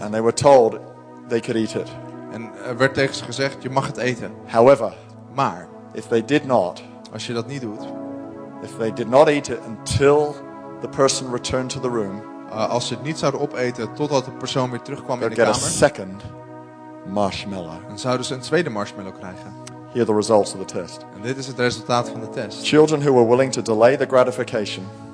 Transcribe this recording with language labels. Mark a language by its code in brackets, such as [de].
[en] And they were told they could eat it. [nl] En er werd tegen ze gezegd, je mag het eten. [en] However, [nl] maar, [en] if they did not, [nl] als je dat niet doet, [en] if they did not eat it until the person returned to the room, [nl] als ze het niet zouden opeten totdat de persoon weer terugkwam in de [en] get [nl] kamer, [en] a second marshmallow. [nl] Dan zouden ze een tweede marshmallow krijgen. [en] Here are the results of the test. [nl] En dit is het resultaat van de test. [en] Children who were willing to delay the gratification,